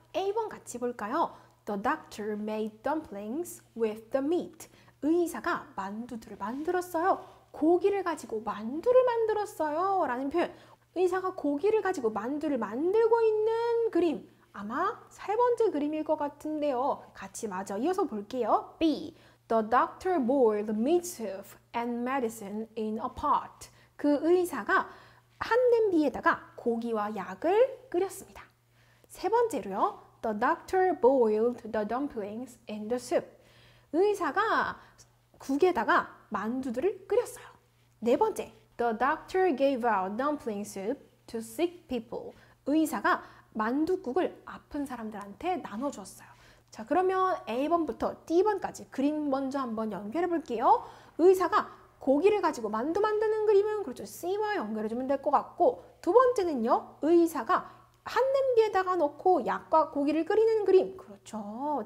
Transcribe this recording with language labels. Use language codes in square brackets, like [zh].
[ko] A번 같이 볼까요? [en] The doctor made dumplings with the meat. [ko] 의사가 만두들을 만들었어요. 고기를 가지고 만두를 만들었어요 라는 표현. 의사가 고기를 가지고 만두를 만들고 있는 그림. 아마 세 번째 그림일 것 같은데요. 같이 마저 이어서 볼게요. [en] B. The doctor boiled meat soup and medicine in a pot. [ko] 그 의사가 한 냄비에다가 고기와 약을 끓였습니다. 세 번째로요. [en] The doctor boiled the dumplings in the soup. [ko] 의사가 국에다가 만두들을 끓였어요. 네 번째. [en] The doctor gave out dumpling soup to sick people. [ko] 의사가 만두국을 아픈 사람들한테 나눠줬어요. 자, 그러면 A번부터 D번까지 그림 먼저 한번 연결해 볼게요. 의사가 고기를 가지고 만두 만드는 그림은 그렇죠. C와 연결해 주면 될 것 같고, 두 번째는요, 의사가 한 냄비에다가 넣고 약과 고기를 끓이는 그림. 그렇죠.